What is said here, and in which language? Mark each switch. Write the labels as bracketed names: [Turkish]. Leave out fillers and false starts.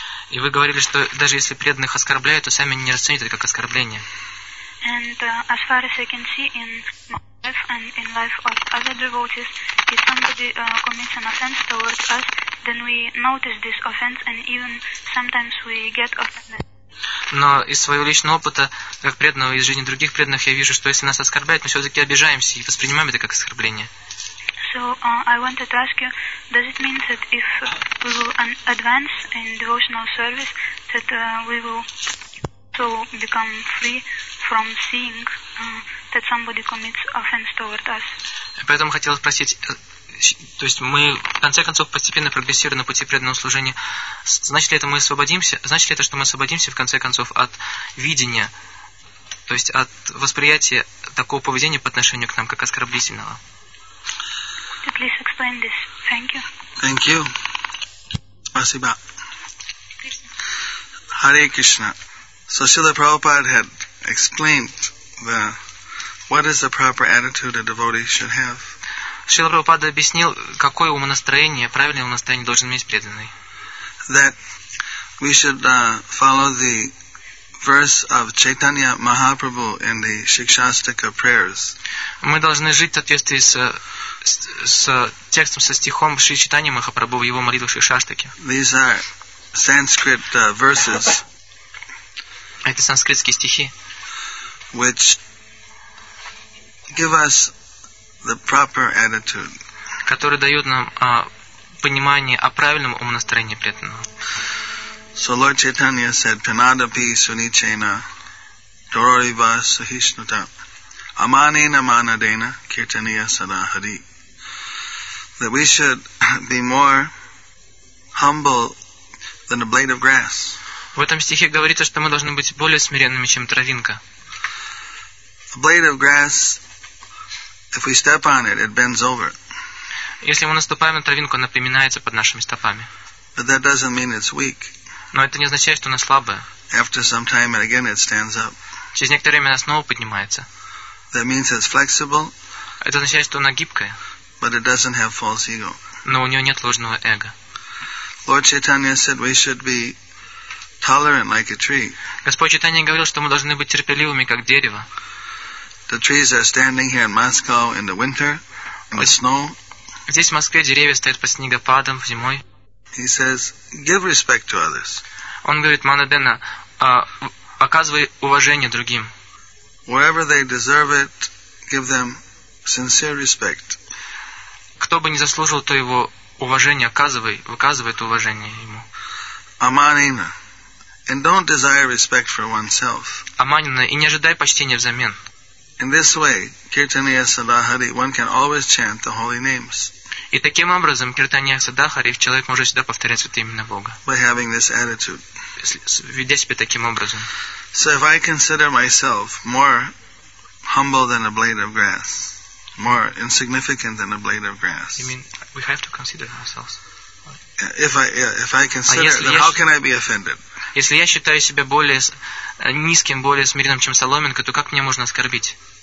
[Russian] И вы говорили, что даже если преданных оскорбляют, то сами не расценят это как оскорбление. [English] And as far as I can see in my life and in life of other devotees, if somebody commits an offense towards us, then we notice this offense and even sometimes we get offended. [Russian] Но из своего личного опыта, как преданного, из жизни других преданных, я вижу, что если нас оскорбляют, мы все-таки обижаемся и воспринимаем это как оскорбление. [English] So I wanted to ask you, does it mean that if we will advance in devotional service, that we will also become free from seeing that somebody commits offense toward us? [Russian] Поэтому хотела спросить, то есть мы в конце концов постепенно прогрессируем на пути преданного служения. Значит ли это, мы освободимся? Значит ли это, что мы освободимся в конце концов от видения, то есть от восприятия такого поведения по отношению к нам как оскорбительного? [English] Please explain this. Thank you. Thank you. [Russian] Спасибо. [English] Hare Krishna. So Srila Prabhupada had explained the what is the proper attitude a devotee should have. [Russian] Srila Prabhupada объяснил, какое умонастроение, правильное умонастроение должен иметь преданный. [English] That we should follow the verse of Chaitanya Mahaprabhu in the Shikshastika prayers. [Russian] Мы должны жить в соответствии с текстом, со стихом Шри Чайтанья Махапрабху в его молитвах Шри Шаштаке. [English] These are Sanskrit verses. [Russian] Это санскритские стихи. [English] Which give us the proper attitude. [Russian] Которые дают нам понимание о правильном умонастроении преданного. [English] So Lord Chaitanya said, [Sanskrit] Pranadapi Sunichena Dororiva Sahishnuta Amanena Manadena Kirtaniya Sadahari. [English] That we should be more humble than a blade of grass. [Russian] В этом стихе говорится, что мы должны быть более смиренными, чем травинка. [English] A blade of grass, if we step on it, it bends over. [Russian] Если мы наступаем на травинку, она приминается под нашими стопами. [English] But that doesn't mean it's weak. [Russian] Но это не означает, что она слабая. [English] After some time, it again it stands up. [Russian] Через некоторое время она снова поднимается. [English] That means it's flexible. [Russian] Это означает, что она гибкая. [English] But it doesn't have false ego. [Russian] Но у нее нет ложного эго. [English] Lord Chaitanya said we should be tolerant like a tree. [Russian] Господь Чайтанья говорил, что мы должны быть терпеливыми, как дерево. [English] The trees are standing here in Moscow in the winter, in the snow. [Russian] Здесь, в Москве, деревья стоят под снегопадом зимой. [English] He says, give respect to others. [Russian] Он говорит, Манадена, оказывай уважение другим. [English] Wherever they deserve it, give them sincere respect. [Russian] Кто бы не заслужил, то его уважение оказывай, выказывай это уважение ему. [English] Аманина. And don't desire respect for oneself. [Russian] Аманина, и не ожидай почтения взамен. [English] In this way, Kirtaniya Sadahari, one can always chant the holy names. [Russian] И таким образом, Киртания Садахари, человек может всегда повторять святые имена Бога. [English] By having this attitude. [Russian] Ведя себя таким образом. [English] So if I consider myself more humble than a blade of grass, more insignificant than a blade of grass. You mean we have to consider ourselves? If I consider, then how can I be offended? [Russian] Если я считаю себя более низким, более смиренным, чем соломинка, то как мне можно оскорбить?